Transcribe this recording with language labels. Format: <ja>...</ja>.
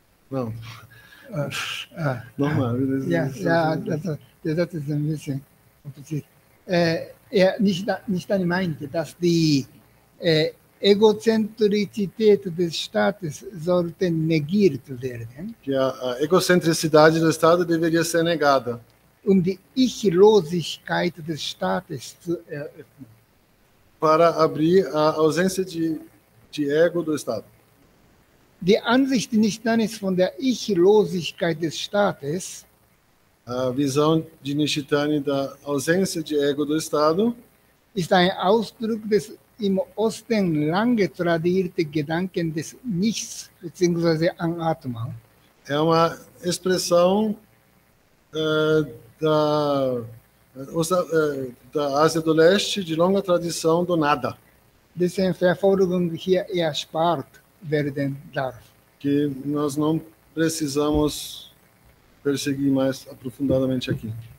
<pt>Não. Normal. Sim, sim, isso é um pouco.</pt> <de>Nishitani meinte, dass die Egozentrizität des Staates sollte negiert werden.</de> <pt>Que a egocentricidade do Estado deveria ser negada.</pt> <de>Um die Ichlosigkeit des Staates zu eröffnen.</de> <pt>Para abrir a ausência de ego do Estado.</pt> <de>Die Ansicht Nishitanis von der Ichlosigkeit des Staates.</de> <pt>A visão de Nishitani da ausência de ego do Estado.</pt> <de>Ist ein Ausdruck des im Osten lange tradierten Gedanken des Nichts bzw. Anatman.</de> <pt>É uma expressão da Ásia do Leste, de longa tradição do nada.</pt> <de>Dessen Verfolgung hier erspart werden darf.</de> <pt>Que nós não precisamos perseguir mais aprofundadamente aqui.</pt>